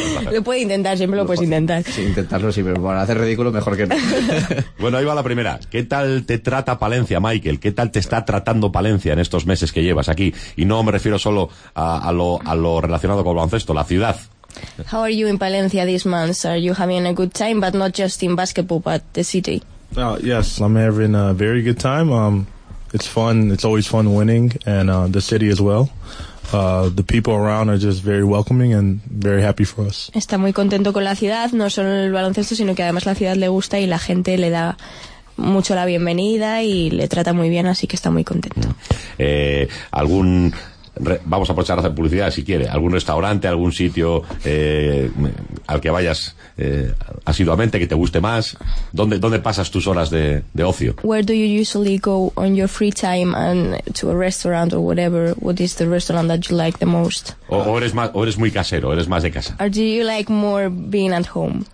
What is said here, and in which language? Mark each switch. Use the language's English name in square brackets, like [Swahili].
[Spanish] Lo puede intentar, siempre lo puedes intentar. Sí, intentarlo, sí, pero para hacer ridículo, mejor que no. Bueno, ahí va la primera. ¿Qué tal te trata Palencia, Michael? ¿Qué tal te está tratando Palencia en estos meses que llevas aquí? Y no me refiero solo a lo relacionado con el baloncesto, la ciudad. [English] How are you in Palencia this month? Are you having a good time, but not just in basketball, but the city? Yes, I'm having a very good time. It's fun. It's always fun winning, and the city as well. The people around are just very welcoming and very happy for us. [Spanish] Está muy contento con la ciudad, no solo el baloncesto, sino que además la ciudad le gusta y la gente le da mucho la bienvenida y le trata muy bien, así que está muy contento. ¿Algún Vamos a aprovechar a hacer publicidad, si quiere. ¿Algún restaurante, algún sitio al que vayas asiduamente, que te guste más? ¿Dónde pasas tus horas de ocio? [English] Where do you usually go on your free time, and to a restaurant or whatever? What is the restaurant that you like the most? [Spanish] ¿O eres muy casero, eres más de casa? [English] Or do you like more being at home?